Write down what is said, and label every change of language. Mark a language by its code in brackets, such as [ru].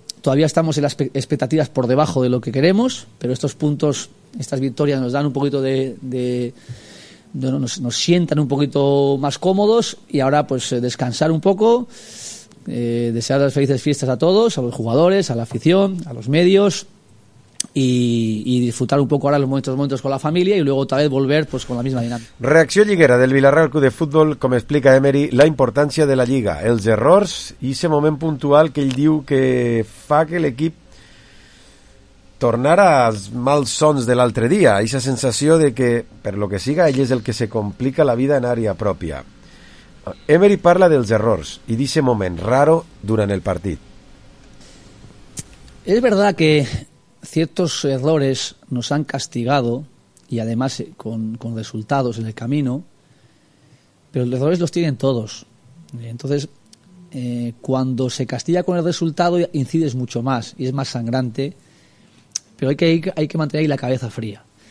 [es] Todavía estamos en las expectativas por debajo de lo que queremos, pero estos puntos, estas victorias nos dan un poquito de nos sientan un poquito más cómodos y ahora pues descansar un poco, desear las felices fiestas a todos, a los jugadores, a la afición, a los medios, y disfrutar un poco ahora los momentos con la familia y luego otra vez volver pues con la misma dinámica. [ca] Reacció lliguera del Villarreal Club de Futbol, com explica Emery, la importància de la Lliga, els errors i ese moment puntual que ell diu que fa que l'equip tornar als mals sons de l'altre dia, aquesta sensació de que, per lo que siga, ell és el que se complica la vida en àrea pròpia. Emery parla dels errors i d'aquest moment raro durant el partit. [es] Es verdad que ciertos errores nos han castigado y además con resultados en el camino, pero los errores los tienen todos. Entonces, cuando se castiga con el resultado incides mucho más y es más sangrante, pero hay que mantener ahí la cabeza fría.